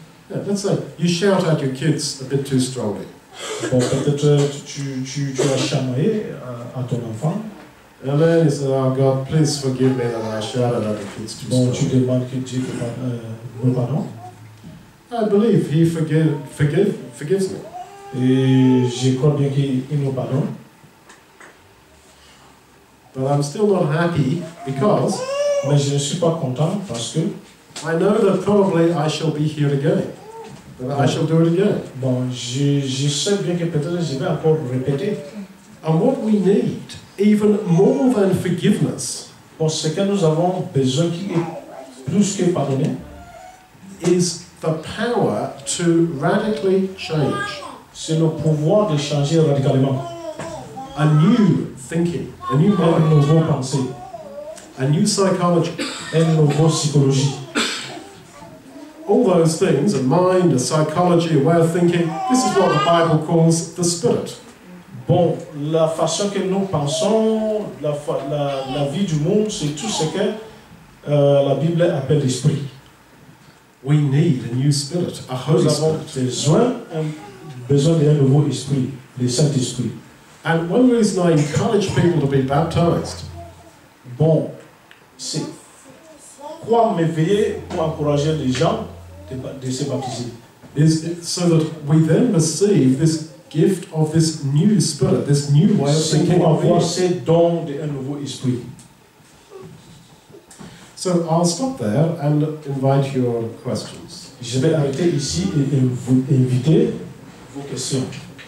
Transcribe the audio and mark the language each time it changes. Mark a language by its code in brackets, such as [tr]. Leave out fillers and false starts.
[en] Yeah, let's say you shout at your kids a bit too strongly. [fr] Bon, peut-être tu as chamaillé à ton enfant. [en] And then you say, oh God, please forgive me that I shouted at the kids too [fr] bon, [en] strongly. [fr] Bon, tu demandes que Dieu me pardonne. [en] I believe he forgives me. [fr] Et je crois bien qu'il me pardonne. [en] But I'm still not happy because. [fr] Mais je ne suis pas content parce que. [en] I know that probably I shall be here again. That I shall do it again. [fr] Bon, je sais bien que peut-être je vais encore répéter. [en] And what we need, even more than forgiveness, [fr] pour ce que nous avons besoin qui est plus que pardonner, [en] is the power to radically change. [fr] C'est le pouvoir de changer radicalement. [en] A new thinking, a new mind, [fr] une nouvelle pensée, [en] a new psychology, [fr] une nouvelle psychologie. [en] All those things, a mind, a psychology, a way of thinking, this is what the Bible calls the spirit. [fr] Bon, la façon que nous pensons, la vie du monde, c'est tout ce que la Bible appelle l'esprit. [en] We need a new spirit, a holy spirit. [fr] Nous avons besoin d'un nouveau esprit, le Saint-Esprit. [en] And one reason I encourage people to be baptized. [fr] Bon, c'est quoi m'éveiller pour encourager les gens de se baptiser? [en] Is it so that we then receive this gift of this new spirit, this new way of thinking. [fr] C'est pour avoir ce don d'un nouveau esprit. [en] So I'll stop there and invite your questions. [fr] Je vais arrêter ici et vous inviter vos questions.